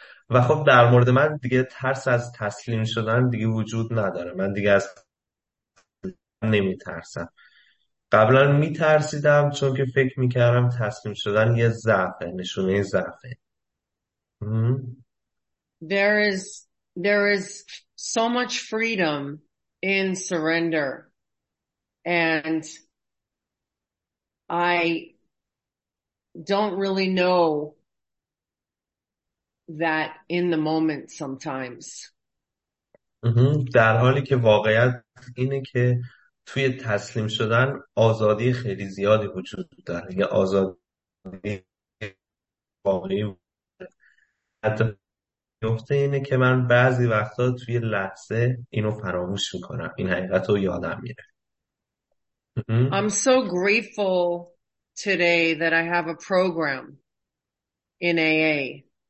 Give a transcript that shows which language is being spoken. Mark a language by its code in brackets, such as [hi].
[fa] و خب در مورد من دیگه ترس از تسلیم شدن دیگه وجود نداره. من دیگه از نمی ترسم. قبلا می ترسیدم چون که فکر می کردم تسلیم شدن یه ضعفه، نشونه ضعفه. [en] There is so much freedom in surrender, and I don't really know that in the moment sometimes. [fa] در حالی که واقعیت اینه که توی تسلیم شدن آزادی خیلی زیادی وجود داره، یه آزادی واقعی حتی نقطه اینه که من بعضی وقتا توی لحظه اینو فراموش میکنم، این حقیقت رو یادم میره. [en] I'm so grateful today that I have a program in AA.